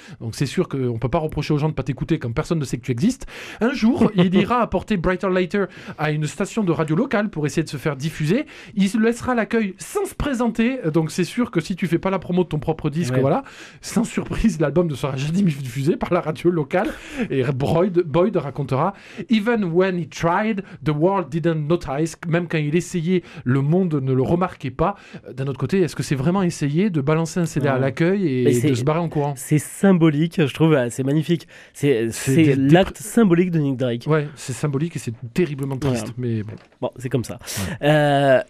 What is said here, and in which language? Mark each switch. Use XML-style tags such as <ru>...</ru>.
<fr>Donc c'est sûr qu'on peut pas reprocher aux gens de pas t'écouter quand personne ne sait que tu existes. Un jour, il ira apporter Brighter Lighter à une station de radio locale pour essayer de se faire diffuser. Il se laissera l'accueil sans se présenter. Donc c'est sûr que si tu fais pas la promo de ton propre disque, ouais. Voilà, sans surprise, l'album ne sera jamais diffusé par la radio locale. Et Boyd racontera,</fr> <en>even when he tried, the world didn't notice.</en> <fr>Même quand il essayait, le monde ne le remarquait pas. D'un autre côté, est-ce que c'est vraiment essayer de balancer un CD à l'accueil et de se barrer en courant? C'est symbolique, je trouve, c'est magnifique. C'est l'acte symbolique de Nick Drake. Ouais, c'est symbolique et c'est terriblement triste, ouais. Mais bon. Bon, c'est comme ça. Ouais.</fr>